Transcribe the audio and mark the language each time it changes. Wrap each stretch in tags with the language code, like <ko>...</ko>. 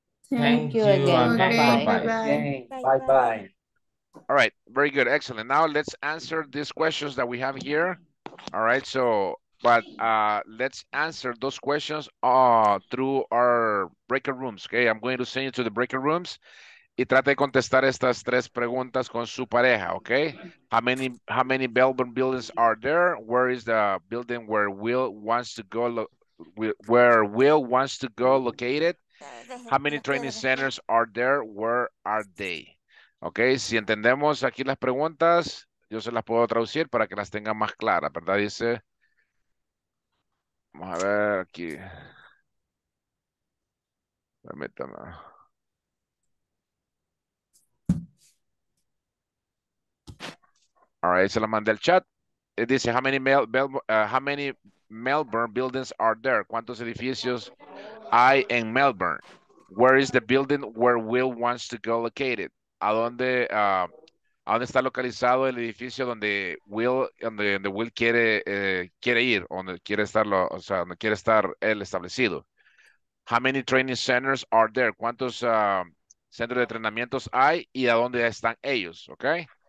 <en>Thank you again. Bye bye. All right. Very good. Excellent. Now let's answer these questions that we have here. All right. So, let's answer those questions through our breakout rooms. Okay. I'm going to send you to the breakout rooms.</en> <es>Y trate de contestar estas tres preguntas con su pareja, okay?</es> <en>How many Melbourne buildings are there? Where is the building where Will wants to go? Located? How many training centers are there? Where are they?</en> <es>Okay, si entendemos aquí las preguntas, yo se las puedo traducir para que las tenga más claras, ¿verdad? Dice, vamos a ver aquí. Permítame.</es> <en>All right,</en> <es>se la mandé al chat.</es> <en>It dice, how many Melbourne buildings are there?</en> <es>¿Cuántos edificios hay en Melbourne?</es> <en>Where is the building where Will wants to go located?</en> <es>¿A dónde está localizado el edificio donde Will quiere ir? ¿Dónde quiere estar él establecido?</es> <en>How many training centers are there?</en> <es>¿Cuántos centros de entrenamientos hay? ¿Y a dónde están ellos? Okay.</es>